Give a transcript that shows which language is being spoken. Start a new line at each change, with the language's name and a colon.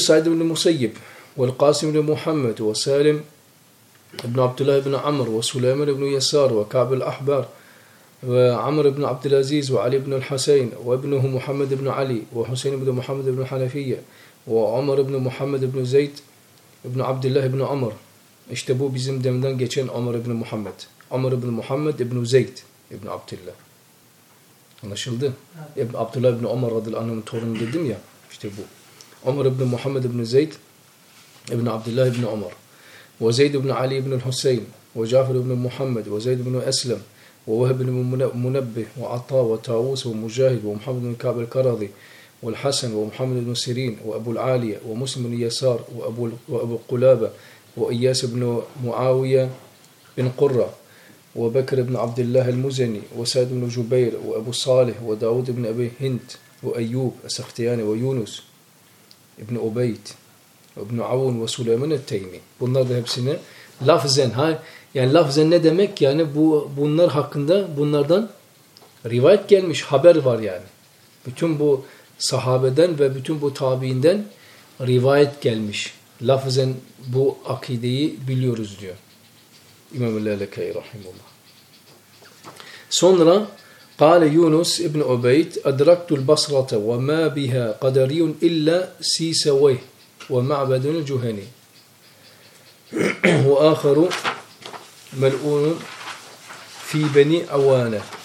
Turkish: Said ibn-i Musayyib ve Kasim ibn-i Muhammed ve Salim ibn-i Abdullah ibn-i Amr ve Süleyman ibn-i Yasar ve Ka'b el-Ahbar ve Amr ibn-i Abdülaziz ve Ali ibn-i Hüseyin ve ibn-i Muhammed ibn-i Ali ve Hüseyin ibn-i Muhammed ibn-i Hanefiye ve Amr ibn-i Muhammed ibn-i Zeyd ibn-i Abdullah ibn-i Amr. İşte bu bizim demden geçen Amr ibn-i Muhammed. Amr ibn-i Muhammed ibn-i Zeyd ibn-i Abdullah. Anlaşıldı? Evet. Abdullah ibn-i Amr radıyallahu anh'ın torunu dedim ya. İşte bu. Amr ibn-i Muhammed ibn-i Zeyd ibn-i Abdullah ibn-i Amr.
Arabic: Ve Zeyd ibn-i Ali ibn-i Hüseyin ve Cafer ibn-i Muhammed ve Zeyd ibn-i Eslem ve Vahb ibn-i Munabbih ve Atta ve Tavus ve Mücahid ve Muhammed ibn-i Ka'b el-Karadi والحسن ومحمد بن سيرين وأبو العالية ومسلم بن يسار وأبو قلابة وإياس بن معاوية بن قرة وبكر بن عبد الله المزني وسعد بن جبير وأبو صالح وداود بن أبي هند وأيوب السختياني ويونس بن أبيت
Turkish: İbn-i Avun ve Süleyman el-Teymi. Bunlar da hepsine lafzen. Ha, yani lafzen ne demek? Yani bu bunlar hakkında bunlardan rivayet gelmiş, haber var yani. Bütün bu sahabeden ve bütün bu tabiinden rivayet gelmiş. Lafzen bu akideyi biliyoruz diyor. İmam-ı Leleke'yi rahimullah.
Arabic: Sonra قال يونس ابن عبيد أدركت البصرة وما بها قدري إلا سيسويه ومعبد الجهني وآخر ملؤون في بني أوانة.